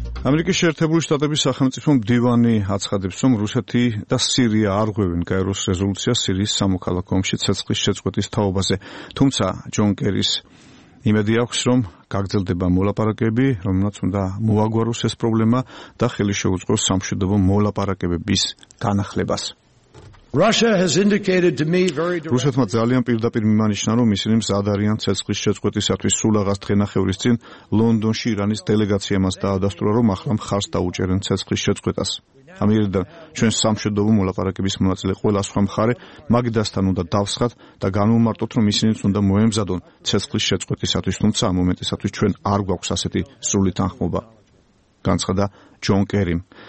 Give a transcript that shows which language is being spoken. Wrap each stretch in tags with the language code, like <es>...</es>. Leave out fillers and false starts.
<ka>ამერიკის შეერთებული შტატების სახელმწიფო მდივანი აცხადებს, რომ რუსეთი და სირია არღვევენ გაეროს რეზოლუციას სირიის სამოქალაქო ომში ცეცხლის შეწყვეტის თაობაზე. თუმცა ჯონ კერის იმედი აქვს, რომ გაგრძელდება მოლაპარაკები, რომელსაც უნდა მოაგვაროს ეს პრობლემა და ხელი შეუწყოს სამშვიდობო მოლაპარაკებების განახლებას.</ka> <en>Russia has indicated to me very directly.</en> <ka>რუსეთმა ძალიან პირდაპირ მიმანიშნა, რომ ისინი მზად არიან ცეცხლის შეწყვეტისათვის. სულ აღარ დღენახევრის წინ ლონდონში ირანის დელეგაციამაც დაადასტურა, რომ ახლა მხარს დაუჭერენ ცეცხლის შეწყვეტას. ამიერიდან ჩვენ სამშვიდობო მოლაპარაკების მონაწილე ყველა სხვა მხარე მაგიდასთან უნდა დავსხათ და განუმარტოთ, რომ ისინიც უნდა მოემზადონ ცეცხლის შეწყვეტისათვის, თუმცა ამ მომენტისათვის ჩვენ არ გვაქვს ასეთი სრული თანხმობა, განცხადა ჯონ კერიმ.</ka>